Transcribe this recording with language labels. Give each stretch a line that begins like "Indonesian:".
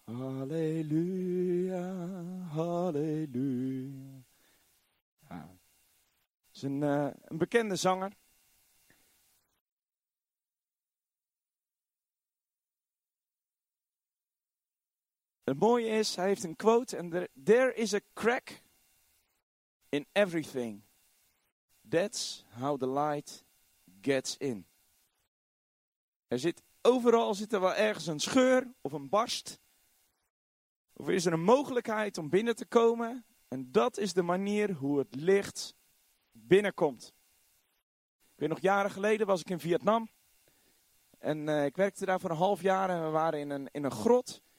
Dutch: Halleluja, halleluja. Ja. Het is een bekende zanger. Het mooie is, hij heeft een quote.
English: En there is a crack in everything. That's how the light gets in.
Dutch: Er zit overal zit er wel ergens een scheur of een barst. Of is er een mogelijkheid om binnen te komen. En dat is de manier hoe het licht binnenkomt. Ik weet nog, jaren geleden was ik in Vietnam. En ik werkte daar voor een half jaar en we waren in een grot.